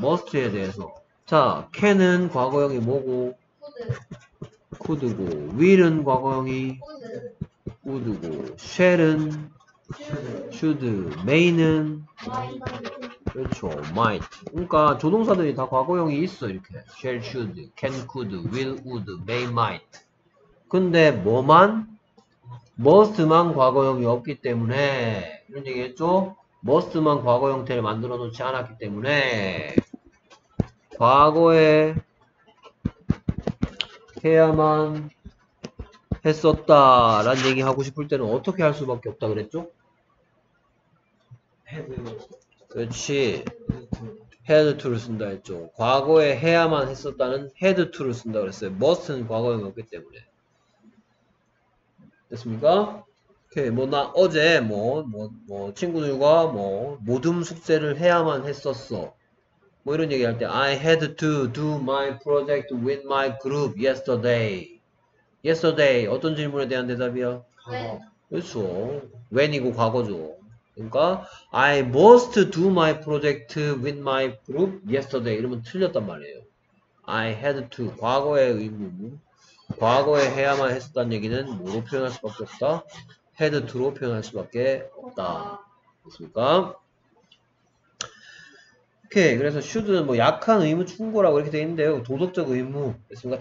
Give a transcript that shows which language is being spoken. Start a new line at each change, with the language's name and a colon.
Korean: must에 대해서. 자, can은 과거형이 뭐고?
English: could.
Korean: could고. will은 과거형이?
English: would.
Korean: would고. shall은?
English: should.
Korean: may는?
English: might.
Korean: 그렇죠. might. 그러니까 조동사들이 다 과거형이 있어. 이렇게.
English: shall, should, can, could, will, would, may, might.
Korean: 근데 뭐만? must만 과거형이 없기 때문에 이런 얘기 했죠? must만 과거 형태를 만들어 놓지 않았기 때문에 과거에 해야만 했었다 라는 얘기 하고 싶을 때는 어떻게 할 수밖에 없다 그랬죠?
English: had.
Korean: 그렇지. had to를 쓴다 했죠. 과거에 해야만 했었다는 had to를 쓴다 그랬어요. must는 과거형이 없기 때문에. 됐습니까? 오케이. 뭐, 나 어제, 친구들과, 모둠 숙제를 해야만 했었어. 뭐, 이런 얘기 할 때,
English: I had to do my project with my group yesterday. Yesterday.
Korean: 어떤 질문에 대한 대답이야? 과거. 그렇죠. When이고 과거죠. 그러니까,
English: I must do my project with my group yesterday.
Korean: 이러면 틀렸단 말이에요.
English: I had to.
Korean: 과거의 의무. 과거에 해야만 했었다는 얘기는 뭐로 표현할 수 밖에 없다? had to로 표현할 수 밖에 없다. 됐습니까? 오케이. 그래서 should는 뭐 약한 의무 충고라고 이렇게 되어 있는데요. 도덕적 의무. 됐습니까?